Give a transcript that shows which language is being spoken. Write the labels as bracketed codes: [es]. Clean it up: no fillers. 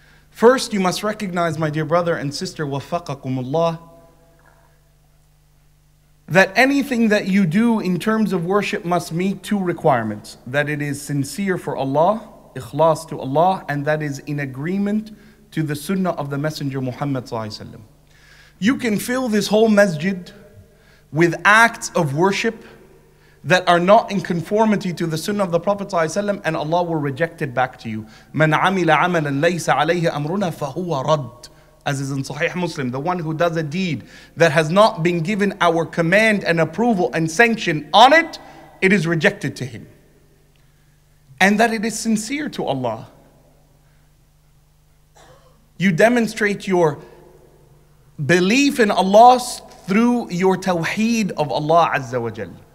[en] First, you must recognize, my dear brother and sister, wafaqakumullah, that anything that you do in terms of worship must meet two requirements: that it is sincere for Allah, ikhlas to Allah, and that is in agreement to the sunnah of the Messenger Muhammad sallallahu alaihi wasallam. You can fill this whole masjid with acts of worship that are not in conformity to the sunnah of the Prophet ﷺ, and Allah will reject it back to you. [ar] مَنْ عَمِلَ عَمَلًا لَيْسَ عَلَيْهِ أَمْرُنَا فَهُوَ رَدْ, [en] as is in Sahih Muslim. The one who does a deed that has not been given our command and approval and sanction on it, it is rejected to him. And that it is sincere to Allah. You demonstrate your belief in Allah through your tawheed of Allah Azza wa Jal.